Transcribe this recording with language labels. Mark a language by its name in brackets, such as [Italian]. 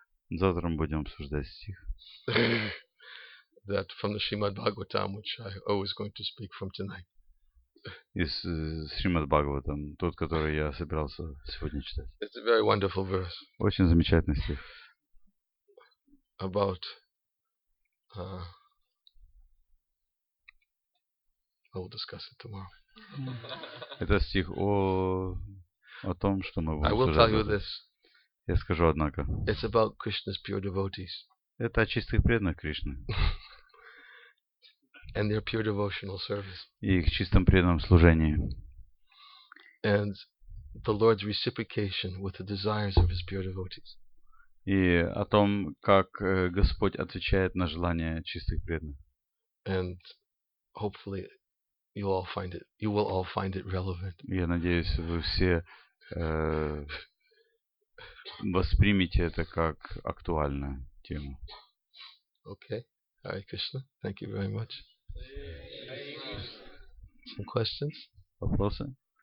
[Russian] Завтра мы будем обсуждать стих. [English] That from the Srimad Bhagavatam, which I always going to speak from tonight. [Russian] Из Шримад Бхагаватам, тот, который я собирался сегодня читать. [English] It's a very wonderful verse. [Russian] Очень замечательный стих. [English] About I will discuss it tomorrow. [Russian] Это стих о том, что мы будем. [English] I will tell you this. [Russian] Я скажу, однако. [English] It's about Krishna's pure devotees. [Russian] Это о чистых преданных Кришны. [English] And their pure devotional service. [Russian] И их чистом преданном служении. [English] And the Lord's reciprocation with the desires of his pure devotees. [Russian] И о том, как Господь отвечает на желания чистых преданных. [English] And hopefully you all find it, you will all find it relevant. [Russian] Я надеюсь, вы все воспримите это как актуальную тему. [English] Okay. Hare Krishna. Thank you very much. Some questions? [Russian] Вопросы?